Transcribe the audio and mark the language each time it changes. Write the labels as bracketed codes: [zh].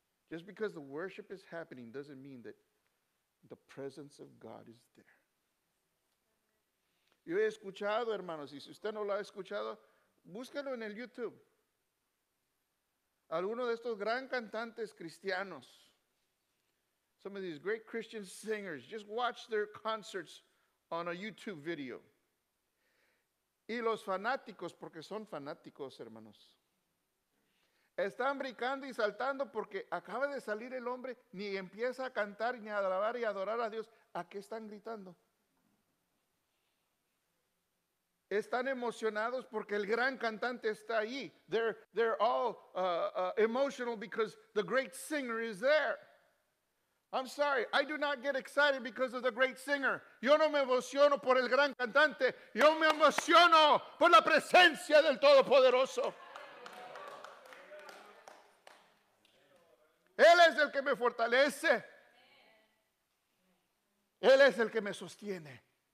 [en] Just because the worship is happening doesn't mean that the presence of God is there. [es] Yo he escuchado, hermanos, y si usted no lo ha escuchado, búsquelo en el YouTube. Alguno de estos gran cantantes cristianos, [en] some of these great Christian singers, just watch their concerts on a YouTube video. [es] Y los fanáticos, porque son fanáticos, hermanos, están brincando y saltando porque acaba de salir el hombre, ni empieza a cantar, ni a alabar y a adorar a Dios. ¿A qué están gritando? Están emocionados porque el gran cantante está ahí. [en] They're all emotional because the great singer is there. I'm sorry, I do not get excited because of the great singer. [es] Yo no me emociono por el gran cantante. Yo me emociono por la presencia del Todopoderoso. Él es el que me fortalece. Él es el que me sostiene.